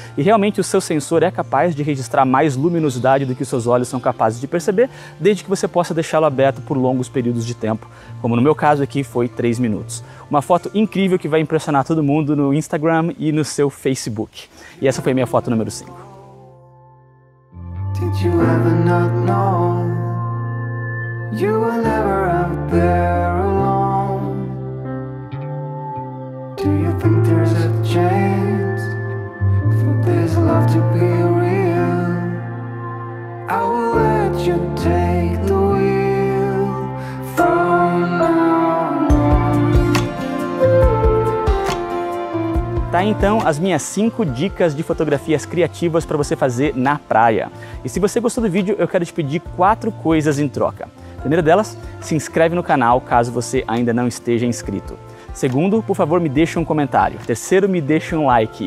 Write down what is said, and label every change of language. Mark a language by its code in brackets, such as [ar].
[pt] E realmente o seu sensor é capaz de registrar mais luminosidade do que os seus olhos são capazes de perceber, desde que você possa deixá-lo aberto por longos períodos de tempo. Como no meu caso aqui foi 3 minutos. Uma foto incrível que vai impressionar todo mundo no Instagram e no seu Facebook. E essa foi a minha foto número 5. [en] Did you ever not know you were never out there alone? Do you think there's a chance for this love to be real? I will let you take the wheel from now on. [pt] Tá então as minhas 5 dicas de fotografias criativas para você fazer na praia. E se você gostou do vídeo, eu quero te pedir 4 coisas em troca. Primeira delas, se inscreve no canal caso você ainda não esteja inscrito. Segundo, por favor, me deixe um comentário. Terceiro, me deixe um like.